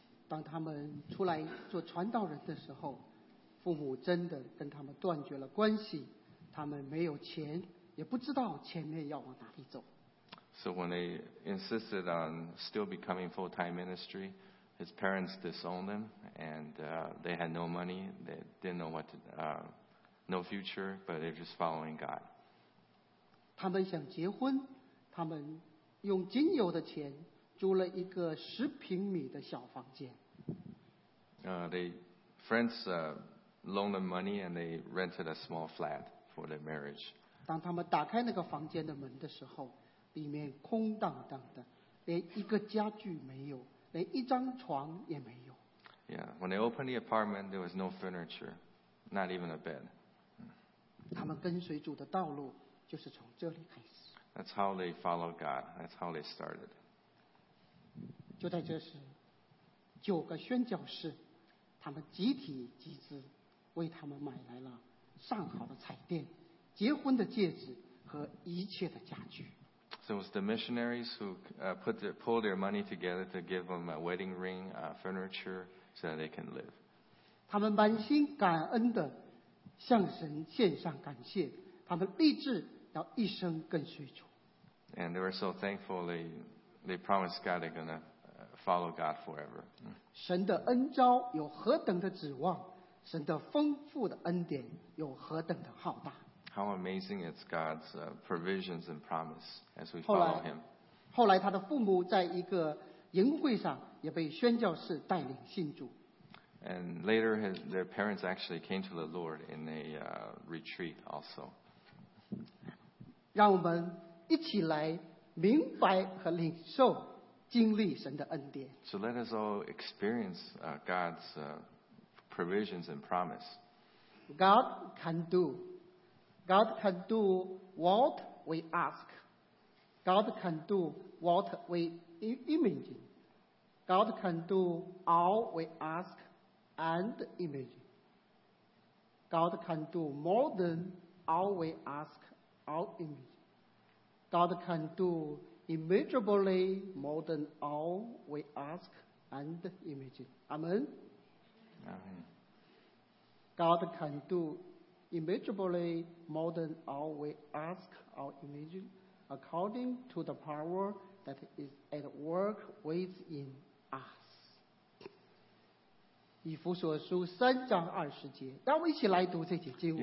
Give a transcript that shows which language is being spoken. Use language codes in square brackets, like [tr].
[zh] 当他们出来做传道人的时候，父母真的跟他们断绝了关系，他们没有钱，也不知道前面要往哪里走。 [en] So when they insisted on still becoming full-time ministry, his parents disowned him, and they had no money. They didn't know what to, no future, but they're just following God. [zh] 他们想结婚，他们用仅有的钱租了一个十平米的小房间。 [en] They friends loaned them money, and they rented a small flat for their marriage. [zh] 当他们打开那个房间的门的时候，里面空荡荡的，连一个家具没有，连一张床也没有。 [en] Yeah, when they opened the apartment, there was no furniture, not even a bed. [zh] 他们跟随主的道路就是从这里开始。 [en] That's how they followed God. That's how they started. [zh] 就在这时，九个宣教士，他们集体集资，为他们买来了上好的彩电、结婚的戒指和一切的家具。 [en] So it was the missionaries who pulled their money together to give them a wedding ring, furniture, so that they can live. [zh] 他们满心感恩地向神献上感谢，他们立志要一生跟随主。 [en] And they were so thankful, they promised God they're going to follow God forever. [zh] 神的恩召有何等的指望，神的丰富的恩典有何等的浩大。 [en] How amazing is God's provisions and promise as we follow him. [zh] 后来他的父母在一个营会上也被宣教士带领信主。 [en] And later their parents actually came to the Lord in a retreat also. [zh] 让我们一起来明白和领受经历神的恩典。 [en] So let us all experience God's provisions and promise. God can do. God can do what we ask. God can do what we imagine. God can do all we ask and imagine. God can do more than all we ask or imagine. God can do immeasurably more than all we ask and imagine. Amen. Amen. God can do immeasurably more than all we ask or imagine according to the power that is at work within us. [zh] 以弗所书三章二十节，让我一起来读这节经文。